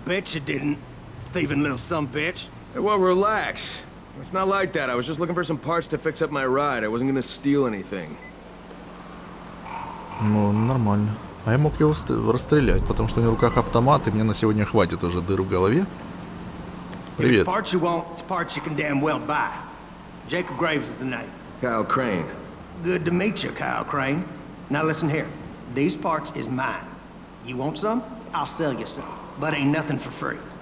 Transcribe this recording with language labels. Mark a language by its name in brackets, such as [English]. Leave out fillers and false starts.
[English] bet you didn't, thieving little some bitch. Well, relax. It's not like that. I was just looking for some parts to fix up my ride. I wasn't gonna steal anything. [Russian] Ну, нормально. А я мог его расстрелять, потому что у него в руках автомат, и мне на сегодня хватит уже дыру в голове. Привет. [English] It's parts you want, it's parts you can damn well buy. Jacob Graves is the name. Kyle Crane. Good to meet you, Kyle Crane. Now listen here. These parts is mine. You want some? I'll sell you some. But ain't nothing for free.